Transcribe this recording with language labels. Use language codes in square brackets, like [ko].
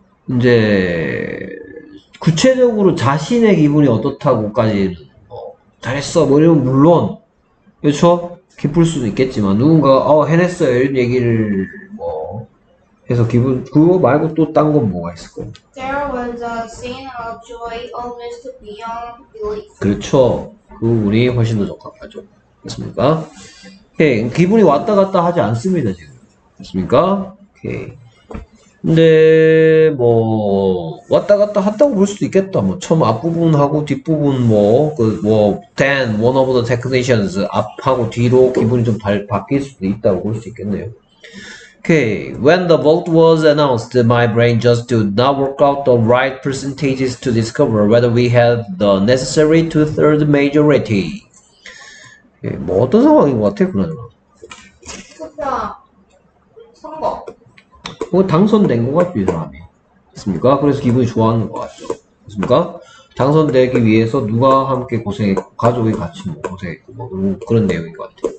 [ko] 이제 구체적으로 자신의 기분이 어떻다고까지 잘했어 뭐 이러면 물론 그렇죠? 기쁠 수는 있겠지만 누군가 해냈어요 이런 얘기를 뭐 해서 기분 그거 말고 또 딴 건 뭐가 있을까요? [en] There was a scene of joy almost beyond belief. [ko] 그렇죠. 그 부분이 훨씬 더 적합하죠. 맞습니까? 오케이. 기분이 왔다 갔다 하지 않습니다. 지금. 맞습니까? 오케이. 근데 뭐 왔다 갔다 했다고 볼 수도 있겠다. 뭐 처음 앞부분하고 뒷부분 뭐 [en] then one of the technicians [ko] 앞하고 뒤로 기분이 좀 바뀔 수도 있다고 볼 수 있겠네요. [en] Okay, when the vote was announced, my brain just did not work out the right percentages to discover whether we had the necessary two-thirds majority. [ko] 예, 뭐 어떤 상황인 것 같아, 그러면? 투표 선거. 뭐 당선된 것 같죠, 이 사람이. 맞습니까? 그래서 기분이 좋아하는 것 같죠. 맞습니까? 당선되기 위해서 누가 함께 고생했고, 가족이 같이 뭐 고생했고, 뭐 그런 내용인 것 같아요.